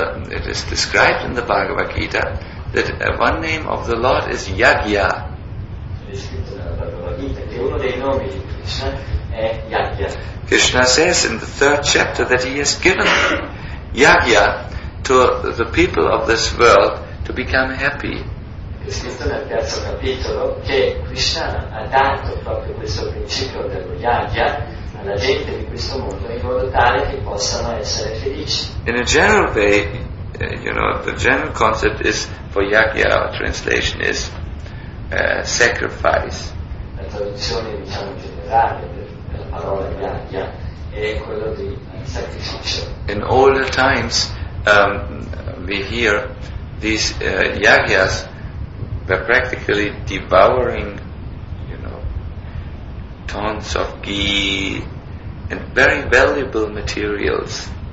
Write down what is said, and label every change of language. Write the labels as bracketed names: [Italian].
[English] It is described in the Bhagavad Gita that one name of the Lord is Yagya. [Italian] È scritto nella Bhagavad Gita che uno dei nomi di Krishna è yajna. [English] Krishna says in the third chapter that he has given yajna to the people of this world to become happy. [Italian] È scritto nel terzo capitolo che Krishna ha dato proprio questo principio dello yajna alla gente di questo mondo in modo tale che possano essere felici. [English] In a general way, you know, the general concept is for yajna, our translation is sacrifice. [Italian] La traduzione, diciamo, generale della parola yajna è quello di sacrificio. [English] In all the times we hear these yajnas were practically devouring, you know, tons of ghee and very valuable materials.